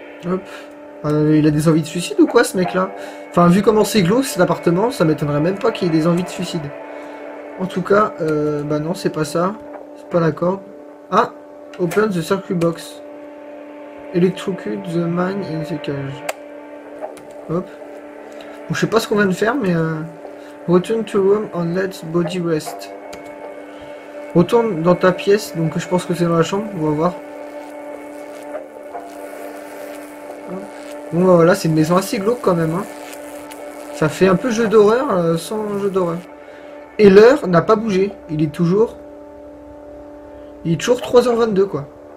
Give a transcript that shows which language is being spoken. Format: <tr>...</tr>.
<fr>Hop. Il a des envies de suicide ou quoi ce mec-là? Enfin, vu comment c'est glauque cet appartement, ça m'étonnerait même pas qu'il ait des envies de suicide. En tout cas, bah non, c'est pas ça. C'est pas la corde. Ah!</fr> <en>Open the circuit box. Electrocute the man in the cage. Hop.</en> <fr>Bon, je sais pas ce qu'on vient de faire, mais.</fr> <en>Return to room and let body rest.</en> <fr>Retourne dans ta pièce, donc je pense que c'est dans la chambre, on va voir. Bon, bah voilà, c'est une maison assez glauque quand même, hein. Ça fait un peu jeu d'horreur, sans jeu d'horreur. Et l'heure n'a pas bougé, il est toujours 3h22, quoi.</fr>